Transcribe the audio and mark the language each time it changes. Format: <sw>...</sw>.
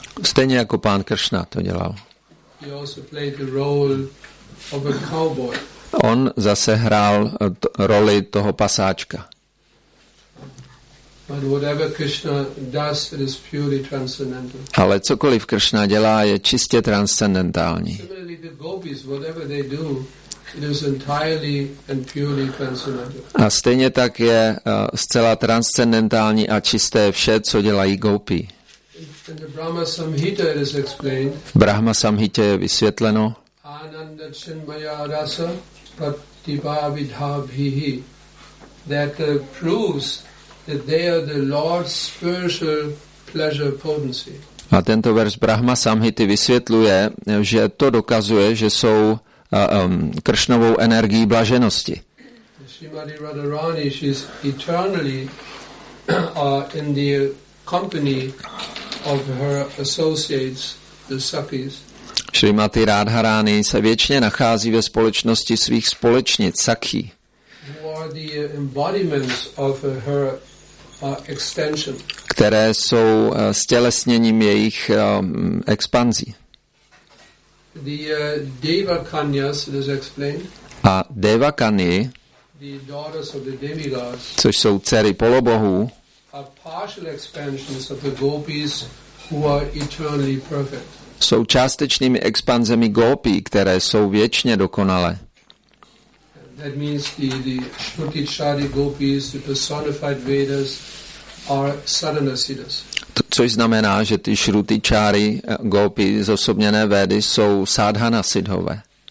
<cs>Stejně jako pán Kršna to dělal.</cs> <en>He also played the role of a cowboy.</en> <cs>On zase hrál roli toho pasáčka.</cs> <en>But whatever Krishna does, it is purely transcendental.</en> <cs>Ale cokoliv Kršna dělá, je čistě transcendentální.</cs> <en>Similarly, the gopis, whatever they do, it is entirely and purely transcendental.</en> <cs>A stejně tak je zcela transcendentální a čisté vše, co dělají gopi.</cs> <en>In the Brahma Samhita it is explained.</en> <cs>V Brahma Samhita je vysvětleno.</cs> <sa>Ananda Chinmaya Rasa Pratibhavidhabhihi.</sa> <en>That proves that they are the Lord's spiritual pleasure potency.</en> <cs>A tento verš Brahma Samhity vysvětluje, že to dokazuje, že jsou Kršnovou energií blaženosti.</cs> <en>Srimati Radharani, she is eternally in the company of her associates, the Sakis.</en> <cs>Srimati Radharani se věčně nachází ve společnosti svých společnic Sakhi.</cs> <en>Who are the embodiments of her extension.</en> <cs>Které jsou stělesněním jejich expanzí.</cs> <en>The Deva Kanyas, it is explained.</en> <cs>A Deva Kani,</cs> <en>the daughters of the demigods,</en> <cs>což jsou dcery polobohů,</cs> <en>are partial expansions of the gopis who are eternally perfect.</en> <cs>Jsou částečnými expanzemi gopi, které jsou věčně dokonalé.</cs> <en>That means the Shruti Chari gopis, the personified Vedas, are sadhana siddhas.</en> <cs>Což znamená, že ty Shruti Chari gopi zosobněné védy jsou sadhana siddhové.</cs>